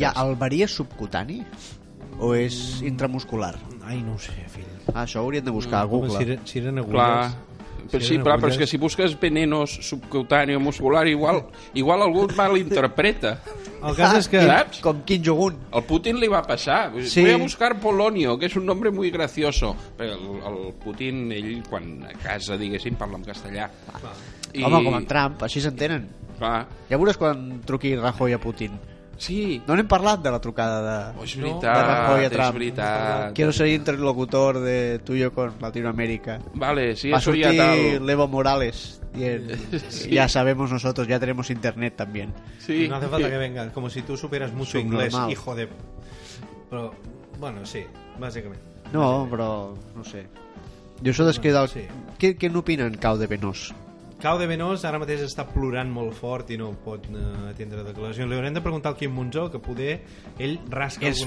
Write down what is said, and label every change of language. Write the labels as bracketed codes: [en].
[ca] Hi ha alberia subcutani? O és intramuscular? Ai, no ho sé, fill. Ah, això ho hauríem de buscar a Google. Si eren agulles... Però sí, però és que si busques venenos subcutani o muscular, igual algú et malinterpreta. El cas és que... Com Kim Jong-un. El Putin li va passar. Sí. [es] Voy a buscar Polonio, que és un nombre muy gracioso. [ca] El Putin, ell, quan a casa, diguéssim, parla en castellà. I... Home, com en Trump, així s'entenen. Ja veuràs quan truqui Rajoy a Putin. Sí. No n'hem parlat de la trucada de, és veritat, de Rajoy a Trump. És veritat. [es] Quiero ser interlocutor de tuyo con Latinoamérica. [ca] Vale, sí, va sortir l'Evo Morales dient, sí. [es] Ya sabemos nosotros, ya tenemos internet también. Sí. No hace falta que venga, como si tú supieras mucho inglés, hijo de... [ca] Però, bueno, sí, bàsicament. No, però, no sé. Jo això d'esquerda... Bueno, sí. Què n'opinen, Cau de Venós? Cau de Venós ara mateix està plorant molt fort i no pot atendre declaracions. Li haurem de preguntar al Kim Munzó, que poder ell rasca alguna cosa.